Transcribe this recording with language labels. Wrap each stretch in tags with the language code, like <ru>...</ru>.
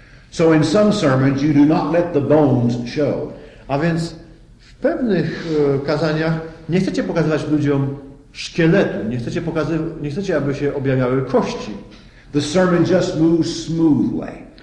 <en>So in some sermons you do not let the bones show.</en> <pl>A więc w pewnych kazaniach nie chcecie pokazywać ludziom szkieletu, nie chcecie, aby się objawiały kości.</pl> <en>The sermon just moves smoothly.</en>